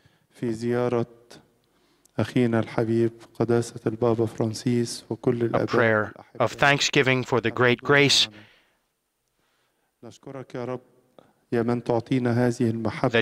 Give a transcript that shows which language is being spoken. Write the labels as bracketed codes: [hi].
[ar] في زيارة أخينا الحبيب قداسة البابا فرانسيس وكل الأباء. [en] A prayer of thanksgiving for the great grace. [ar] نشكرك يا رب يا من تعطينا هذه المحبة.